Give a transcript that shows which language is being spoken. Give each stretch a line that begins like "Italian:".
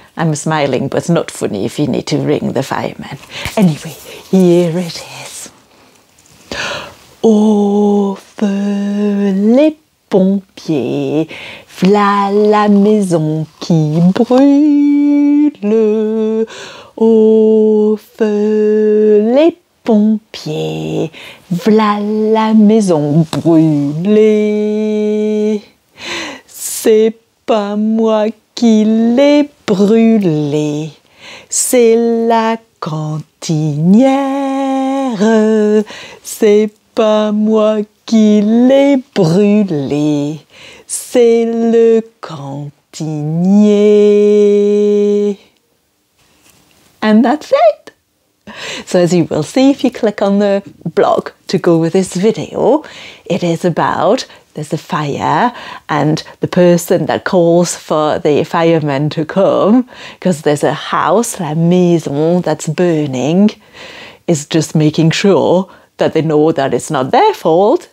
English: I'm smiling, but it's not funny if you need to ring the firemen. Anyway, here it is.
French: Au feu les pompiers, v'là la maison qui brûle. Au feu les pompiers, v'là la maison brûlée. C'est pas moi qui l'ai brûlée, c'est la cantinière. C'est pas moi qui l'ai brûlé, c'est le cantinier.
English: And that's it. So as you will see, if you click on the blog to go with this video, it is about, there's a fire and the person that calls for the firemen to come because there's a house, la maison, that's burning, is just making sure that they know that it's not their fault.